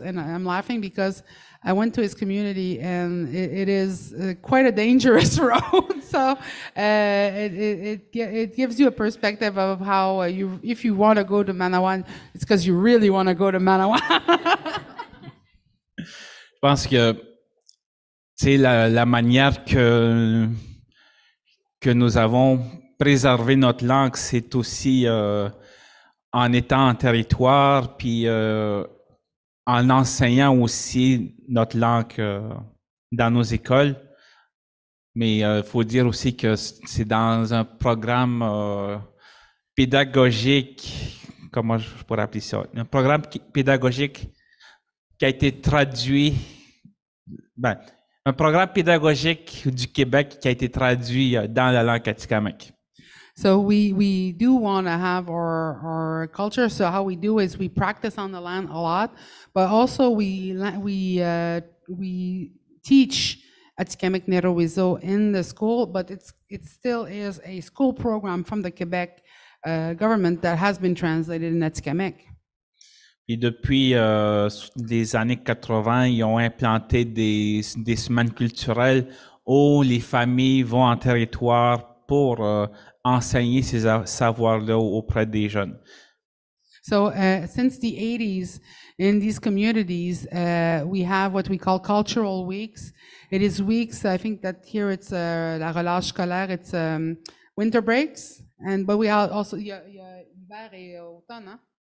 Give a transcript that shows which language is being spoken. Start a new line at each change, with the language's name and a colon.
English: And I'm laughing because I went to his community, and it is quite a dangerous road. So it gives you a perspective of how you, if you want to go to Manawan, it's because you really want to go to Manawan.
French: Je pense que c'est la manière que nous avons. Préserver notre langue, c'est aussi en étant en territoire, puis en enseignant aussi notre langue dans nos écoles. Mais il faut dire aussi que c'est dans un programme pédagogique, comment je pourrais appeler ça, un programme pédagogique qui a été traduit, ben, un programme pédagogique du Québec qui a été traduit dans la langue Atikamekw.
English: So we do want to have our culture. So how we do is we practice on the land a lot, but also we teach Atikamekw Nehirowisiw in the school, but it still is a school program from the Quebec government that has been translated in Atikamekw.
French: Et depuis les années 80, ils ont implanté des semaines culturelles où les familles vont en territoire pour enseigner ces savoirs-là auprès des jeunes.
English: So, since the 80s, in these communities, we have what we call cultural weeks. It is weeks, I think that here it's
French: la relâche scolaire,
English: it's winter breaks, but we are also,
French: hiver et automne, hein?